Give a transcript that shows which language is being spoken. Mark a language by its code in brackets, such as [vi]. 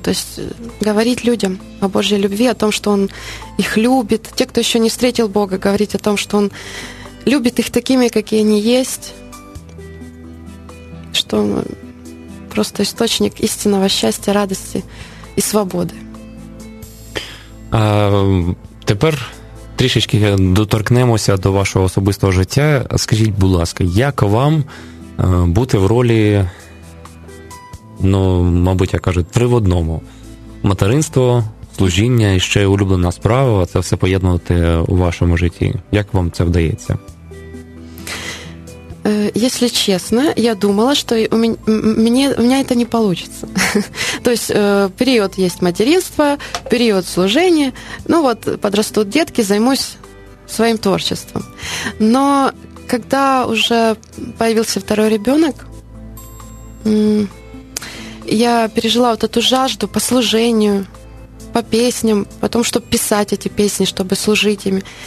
[ru] То есть говорить людям о Божьей любви, о том, что он их любит. Те, кто еще не встретил Бога, говорить о том, что он любит их такими, какие они есть. Что он просто источник истинного счастья, радости и свободы. А теперь [uk] трішечки доторкнемося до вашего особистого життя. Скажите, будь ласка, як вам бути в роли... Ну, мабуть, я кажу, три в одному. Материнство, служіння і ще улюблена справа – це все поєднувати у вашому житті. Як вам це вдається? [ru] Если честно, я думала, что у меня это не получится. То есть период есть материнство, период служения. Ну вот, подрастут детки, займусь своим творчеством. Но когда уже появился второй ребенок, я пережила вот эту жажду по служению, по песням, по тому, чтобы писать эти песни, чтобы служить ими.